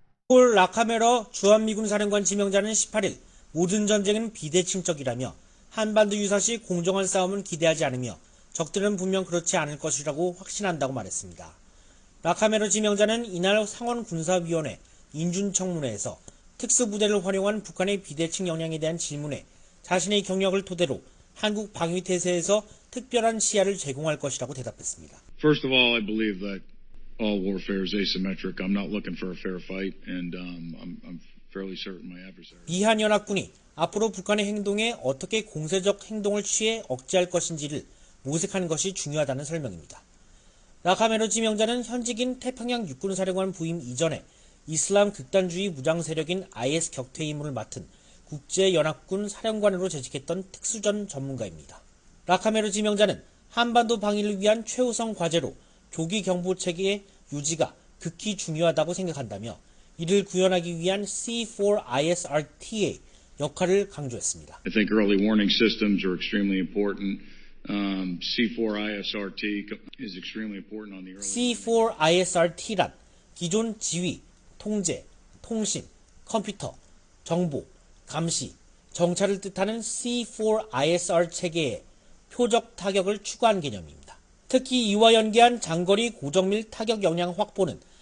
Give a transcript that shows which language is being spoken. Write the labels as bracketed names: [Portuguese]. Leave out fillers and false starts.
[Korean] 폴 라카메로 주한미군사령관 지명자는 18일 모든 전쟁은 비대칭적이라며 한반도 유사시 공정한 싸움은 기대하지 않으며 적들은 분명 그렇지 않을 것이라고 확신한다고 말했습니다. 라카메로 지명자는 이날 상원군사위원회 인준청문회에서 특수부대를 활용한 북한의 비대칭 역량에 대한 질문에 자신의 경력을 토대로 한국 방위태세에서 특별한 시야를 제공할 것이라고 대답했습니다. [English] First of all, I believe that all warfare is asymmetric. I'm not looking for a fair fight, and I'm fairly certain my adversary. [Korean] 미한 연합군이 앞으로 북한의 행동에 어떻게 공세적 행동을 취해 억제할 것인지를 모색하는 것이 중요하다는 설명입니다. 라카메로 지명자는 현직인 태평양 육군사령관 부임 이전에 이슬람 극단주의 무장 세력인 IS 격퇴 임무를 맡은 국제 연합군 사령관으로 재직했던 특수전 전문가입니다. 라카메로 지명자는 한반도 방위를 위한 최우선 과제로 조기 경보 체계의 유지가 극히 중요하다고 생각한다며 이를 구현하기 위한 C4ISRT의 역할을 강조했습니다. [English] I think early warning systems are extremely important. C4ISRT is extremely important on the early. [Korean] C4ISRT란 기존 지휘, 통제, 통신, 컴퓨터, 정보, 감시, 정찰을 뜻하는 C4ISR 체계에 표적 타격을 추구한 개념입니다. 특히 이와 연계한 장거리 고정밀 타격 역량 확보는